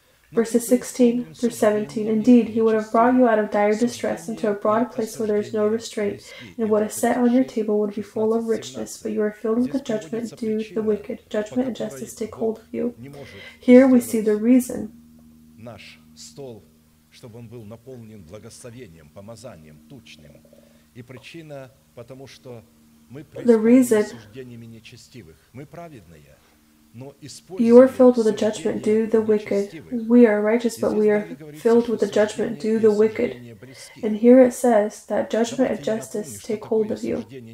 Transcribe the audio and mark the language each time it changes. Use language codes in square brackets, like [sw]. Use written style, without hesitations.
[en] Verses 16 through 17. Indeed, he would have brought you out of dire distress into a broad place where there is no restraint, and what is set on your table would be full of richness, but you are filled with the judgment due to the wicked. Judgment and justice take hold of you. Here we see the reason. [ru] Наш стол, чтобы он был наполнен благословением, помазанием, тучным. И причина, потому что мы преисполнены суждениями нечестивых. Мы праведные. [en] You are filled with the judgment due the wicked. We are righteous, but we are filled with the judgment due the wicked. And here it says that judgment and justice take hold of you.